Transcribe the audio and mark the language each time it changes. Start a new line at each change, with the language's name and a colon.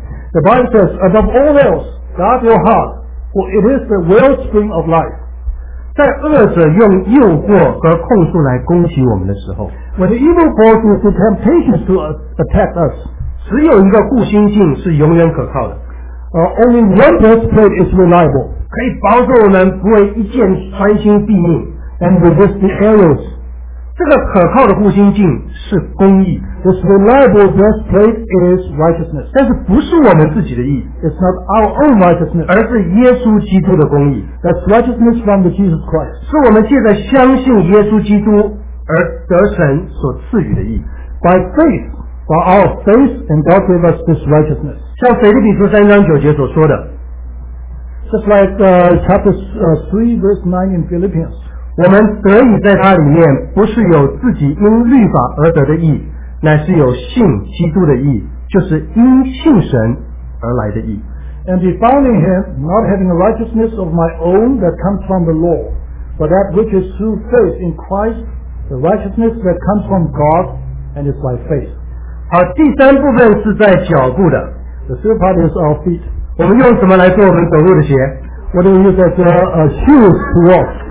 English: The Bible says, above all else, guard your heart, for it is the wellspring of life.
Chinese: 在恶者用诱惑和控诉来攻击我们的时候，
English: When the evil forces the temptations to attack us,
Chinese: 只有一个护心镜是永远可靠的。
English: Only one breastplate is reliable,
Chinese: 可以保守我们不为一箭穿心毙命，
English: and resist the arrows.
Chinese: 这个可靠的护心镜是公义。
English: This reliable breastplate is righteousness.
Chinese: 但是不是我们自己的义。
English: It's not our own righteousness.
Chinese: 而是耶稣基督的公义。
English: That's righteousness from the Jesus Christ.
Chinese: 是我们借着相信耶稣基督而得神所赐予的义。
English: By faith, by our faith, and God gave us this righteousness.
Chinese: 像腓立比书三章九节所说的。
English: Just like chapter 3 verse 9 in Philippians.
Chinese: 我们得以在他里面不是有自己因律法而得的义。乃是有信基督的义，就是因信神而来的义。
English: And be found in him, not having a righteousness of my own that comes from the law, but that which is through faith in Christ, the righteousness that comes from God and is by faith.
Chinese: 好，第三部分是在脚步的。
English: The third part is our feet.
Chinese: 我们用什么来做我们走路的鞋？
English: What do we use as a shoes to walk?